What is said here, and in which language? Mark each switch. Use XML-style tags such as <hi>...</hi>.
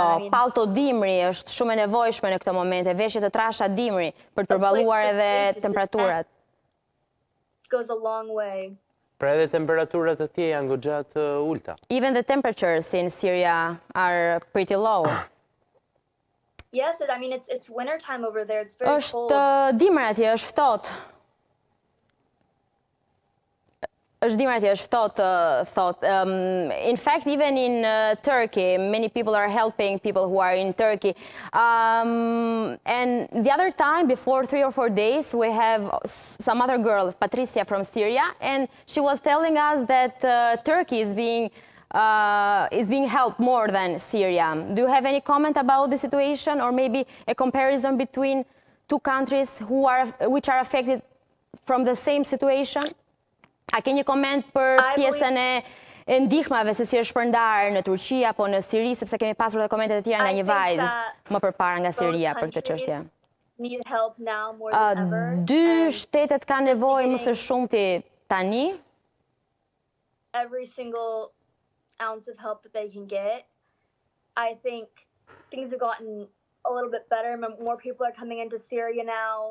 <sq>Palto dimri është shumë e nevojshme në këtë moment, e veshje të trasha dimri për të përballuar edhe temperaturat.</sq> <en>Goes a long way.</en> <sq>Pra edhe temperaturat të tjera janë goxha të ulta.</sq> <en>Even the temperatures in Syria are pretty low. Yes, I mean it's winter time over there. It's very cold.</en> <sq>Është dimër atje, është ftohtë.</sq> <en>In fact, even in Turkey, many people are helping people who are in Turkey. And the other time, before 3 or 4 days, we have some other girl, Patricia from Syria, and she was telling us that Turkey is being helped more than Syria. Do you have any comment about the situation, or maybe a comparison between two countries which are affected from the same situation?</en> <sq>A ke një koment për pjesën e e ndihmave se si është shpërndar në Turqi apo në Siri, sepse kemi pasur edhe komente të tjera nga një vajzë më përpara nga Siria për këtë çështje.</sq> <en>Need help now more than ever.</en> <sq>Dy shtetet kanë nevojë më së shumti tani.</sq> <en>Every single ounce of help that they can get. I think things have gotten a little bit better, more people are coming into Syria now.</en>